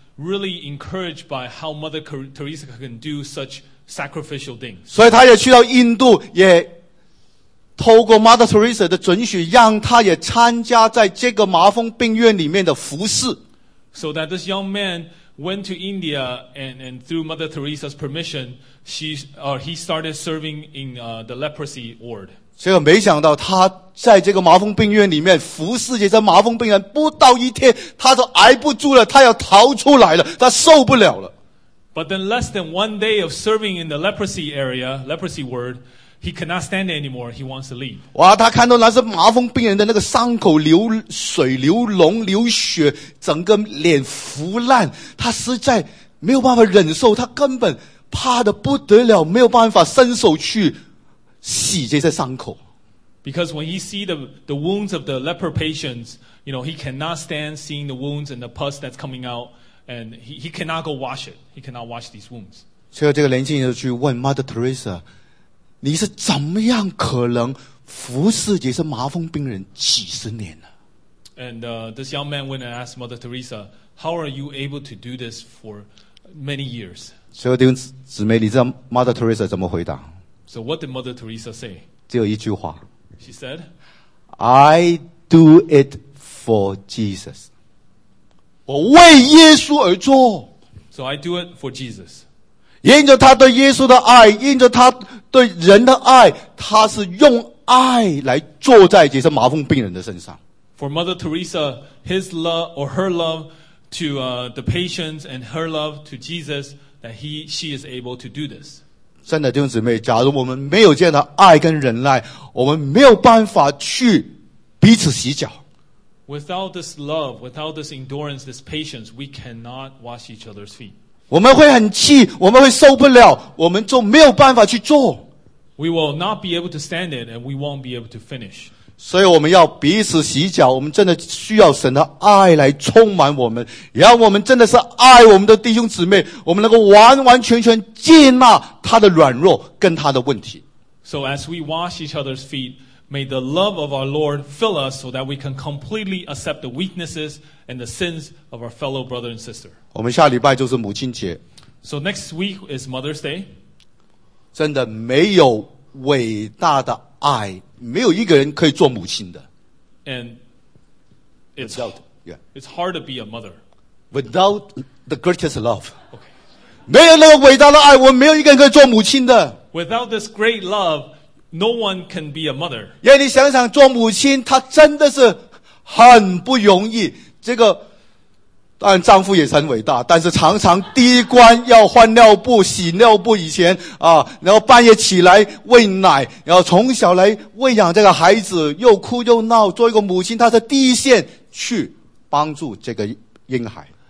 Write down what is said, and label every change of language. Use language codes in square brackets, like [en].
[en] really encouraged by how Mother Teresa can do such sacrificial things. [zh] 所以他也去到印度，也透过 Mother Teresa 的准许，让他也参加在这个麻风病院里面的服事。 [en] So that this young man went to India and through Mother Teresa's permission, he started serving in the leprosy ward. [zh] 结果没想到他在这个麻风病院里面服侍这些麻风病人不到一天他都挨不住了他要逃出来了他受不了了。 [en] But then less than one day of serving in the leprosy ward, he cannot stand anymore, he wants to leave. [zh] 哇他看到那些麻风病人的那个伤口流水流脓流血整个脸腐烂他实在没有办法忍受他根本怕得不得了没有办法伸手去洗这些伤口。 [en] Because when he see the wounds of the leper patients, you know, he cannot stand seeing the wounds and the pus that's coming out, and he cannot go wash it. He cannot wash these wounds. [zh] 所以这个年轻人就去问 Mother Teresa, 你是怎么样可能服侍这些麻风病人几十年呢？ [en] And this young man went and asked Mother Teresa, how are you able to do this for many years? [zh] 所以弟兄姊妹，你知道 Mother Teresa 怎么回答？ [en] So what did Mother Teresa say? [zh] 只有一句话。 [en] She said, I do it for Jesus. [zh] 我为耶稣而做。 [en] So I do it for Jesus. [zh] 因着他对耶稣的爱，因着他对人的爱，他是用爱来坐在这些麻风病人的身上。 [en] For Mother Teresa, his love or her love to the patients and her love to Jesus, that she is able to do this. [zh] 真的弟兄姊妹假如我们没有这样的爱跟忍耐我们没有办法去彼此洗脚 [en] Without this love, without this endurance, this patience, we cannot wash each other's feet. [zh] 我们会很气我们会受不了我们就没有办法去做 [en] We will not be able to stand it and we won't be able to finish. [zh] 所以我们要彼此洗脚我们真的需要神的爱来充满我们让我们真的是爱我们的弟兄姊妹我们能够完完全全接纳他的软弱跟他的问题。 [en] So as we wash each other's feet, may the love of our Lord fill us so that we can completely accept the weaknesses and the sins of our fellow brother and sister. [zh] 我们下礼拜就是母亲节。 [en] So next week is Mother's Day. [zh] 真的没有伟大的爱，没有一个人可以做母亲的。 [en] And it's hard to be a mother. Without the greatest love. Okay. [zh] 没有那个伟大的爱，我们没有一个人可以做母亲的。 [en] Without this great love, no one can be a mother. [zh] 因为你想想，做母亲，她真的是很不容易。这个但丈夫也很伟大，但是常常第一关要换尿布、洗尿布以前啊，然后半夜起来喂奶，然后从小来喂养这个孩子，又哭又闹，做一个母亲，她的第一线去帮助这个婴孩。